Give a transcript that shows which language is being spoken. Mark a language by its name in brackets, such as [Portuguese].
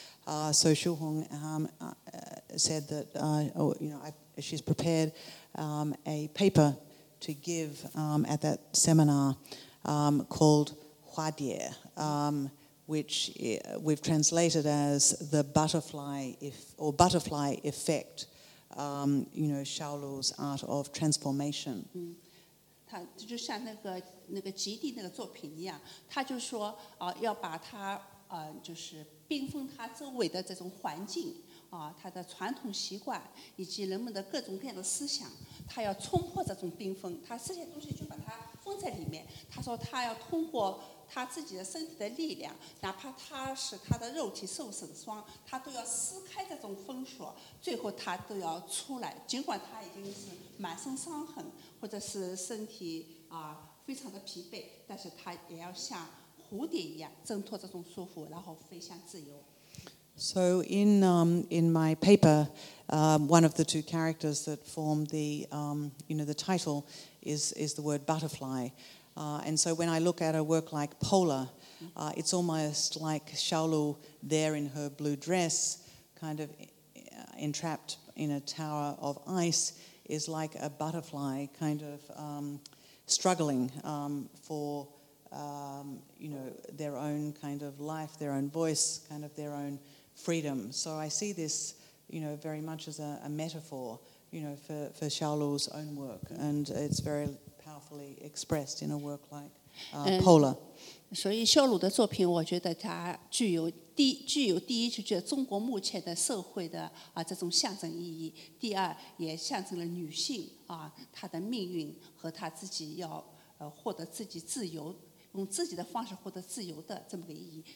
[English] So Xu Hong said that she's prepared a paper to give at that seminar called Hua Die, which we've translated as the butterfly effect, Xiaolu's art of transformation. [Chinese] 他就像那个极地那个作品一样，他就说要把他就是冰封他周围的这种环境他的传统习惯以及人们的各种各样的思想，他要冲破这种冰封，他这些东西就把它封在里面。他说他要通过他自己的身体的力量，哪怕他使他的肉体受损伤，他都要撕开这种封锁，最后他都要出来，尽管他已经是满身伤痕或者是身体非常的疲惫，但是他也要像蝴蝶一样挣脱这种束缚，然后飞向自由。 [English] So in my paper, one of the two characters that form the title is the word butterfly. And so when I look at a work like Polar, it's almost like Xiaolu there in her blue dress, kind of entrapped in a tower of ice, is like a butterfly kind of struggling for their own kind of life, their own voice, kind of their own freedom. So I see this, very much as a metaphor, for Xiaolu's own work, and it's very powerfully expressed in a work like Polar. [Chinese] 所以肖鲁的作品，我觉得它具有第一，就是中国目前的社会的这种象征意义；第二，也象征了女性她的命运和她自己要获得自己自由，用自己的方式获得自由的这么个意义。